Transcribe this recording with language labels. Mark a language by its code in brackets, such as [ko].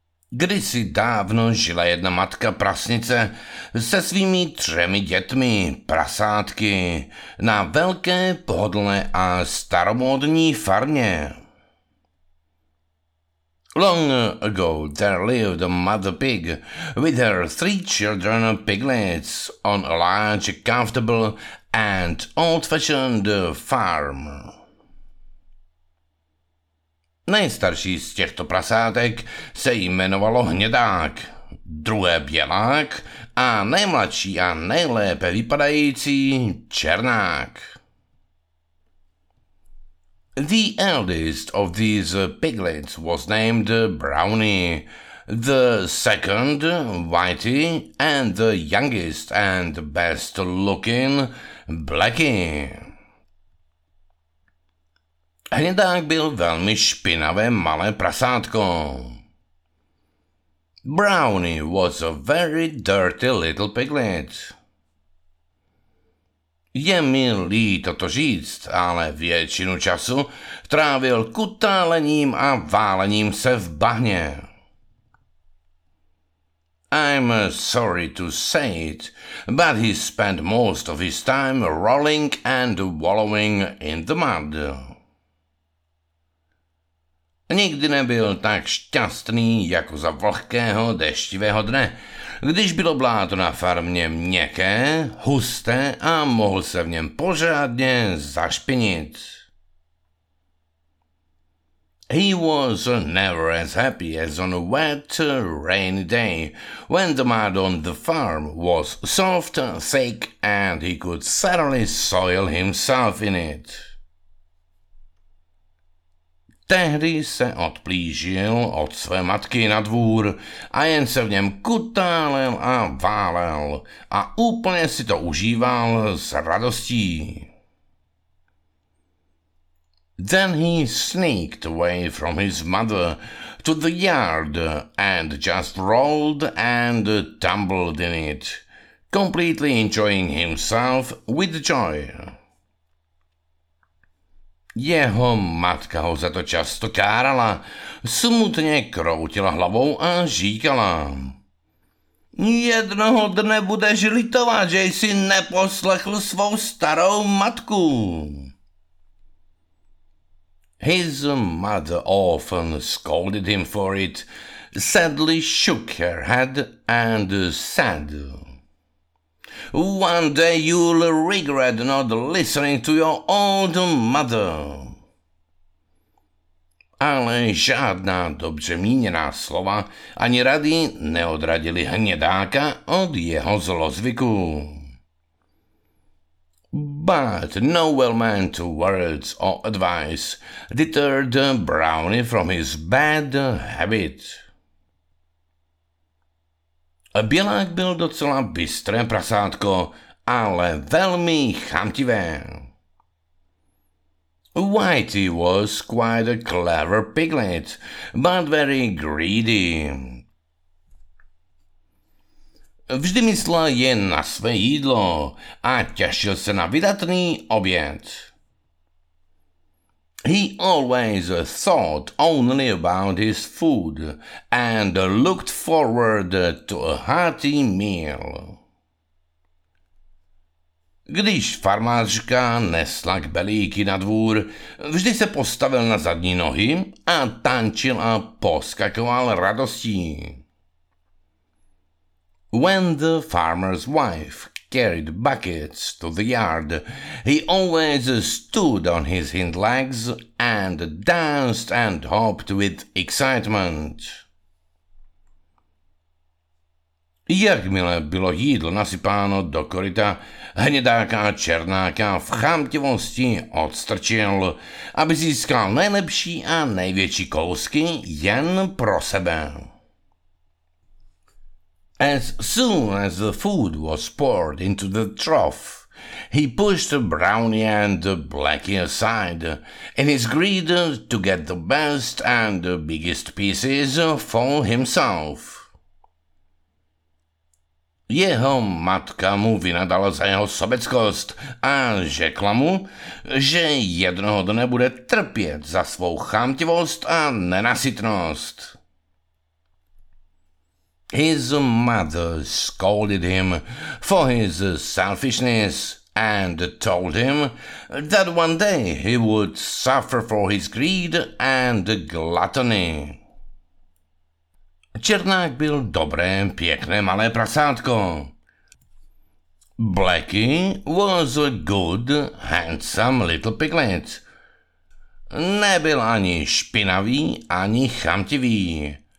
[cs] Kdysi dávno žila jedna matka prasnice se svými třemi dětmi, prasátky, na velké, pohodlné a staromódní farmě. [en] Long ago there lived a mother pig with her three children piglets on a large, comfortable and old-fashioned farm. [cs] Nejstarší z těchto prasátek se jmenovalo Hnědák, druhé Bělák a nejmladší a nejlépe vypadající Černák. [en] The eldest of these piglets was named Brownie, the second Whitey, and the youngest and best looking Blackie. [cs] Hnědák byl velmi špinavé malé prasátko. [en] Brownie was a very dirty little piglet. [cs] Je mi líto to říct, ale většinu času trávil kutálením a válením se v bahně. [en] I'm sorry to say it, but he spent most of his time rolling and wallowing in the mud. [cs] Nikdy nebyl tak šťastný jako za vlhkého deštivého dne, když bylo bláto na farmě měkké, husté a mohl se v něm pořádně zašpinit. [en] He was never as happy as on a wet, rainy day, when the mud on the farm was soft, thick and he could thoroughly soil himself in it. [cs] Tehdy se odplížil od své matky na dvůr a jen se v něm kutálel a válel a úplně si to užíval s radostí. [en] Then he sneaked away from his mother to the yard and just rolled and tumbled in it, completely enjoying himself with joy. [cs] Jeho matka ho za to často kárala, smutně kroutila hlavou a říkala: jednoho dne budeš litovat, že jsi neposlechl svou starou matku. [en] His mother often scolded him for it, sadly shook her head and said: one day you'll regret not listening to your old mother. [cs] Ale žádná dobře míněná slova ani rady neodradili Hnědáka od jeho zlozvyku. [en] But no well-meant words or advice deterred Brownie from his bad habit. [cs] Bělák byl docela bystré prasátko, ale velmi chamtivé. [en] Whitey was quite a clever piglet, but very greedy. [cs] Vždy myslel jen na své jídlo a těšil se na vydatný oběd. [en] He always thought only about his food and looked forward to a hearty meal. [cs] Když farmářka nesla kbelíky na dvůr, vždy se postavil na zadní nohy a tančil a poskakoval radostí. [en] When the farmer's wife carried buckets to the yard, he always stood on his hind legs and danced and hopped with excitement. [cs] Jakmile bylo jídlo nasypáno do koryta, Hnědáka a Černáka v chamtivosti odstrčil, aby získal nejlepší a největší kousky jen pro sebe. [en] As soon as the food was poured into the trough, he pushed Brownie and Blackie aside in his greed to get the best and biggest pieces for himself. [cs] Jeho matka mu vynadala za jeho sobeckost a řekla mu, že jednoho dne bude trpět za svou chamtivost a nenasytnost. [en] His mother scolded him for his selfishness and told him that one day he would suffer for his greed and gluttony. [cs] Černák byl dobré, pěkné, malé prasátko. [en] Blacky was a good, handsome little piglet. [cs] Nebyl ani špinavý, ani chamtivý.